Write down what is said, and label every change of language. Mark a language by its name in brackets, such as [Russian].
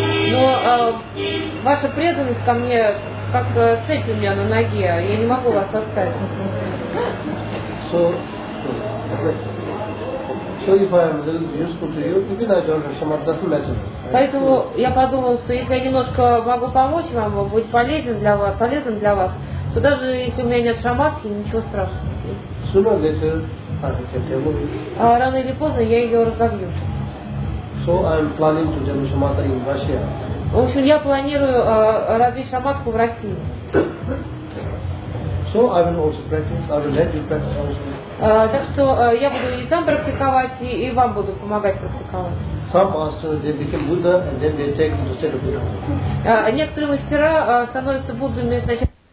[Russian] Но ваша преданность ко мне как цепь у меня на ноге, я не могу вас оставить. [English] So if I am a little useful to you, even I don't have shamatha, doesn't matter. [Russian] Поэтому я подумал, что если я немножко могу помочь вам, будет полезен для вас, то даже если у меня нет шаматхи, ничего страшного. [English] Sooner or later, [Russian] Рано или поздно я ее разобью. [English] So I'm planning to demo shamatha in Russia. [Russian] В общем, я планирую развить шаматху в России. [English] So I will also practice. I will let you practice also. [Russian] Так что я буду и сам практиковать, и вам буду помогать практиковать. [English] Some masters they become Buddha and then they take into state of Buddha. [Russian] Некоторые мастера становятся Буддами сначала.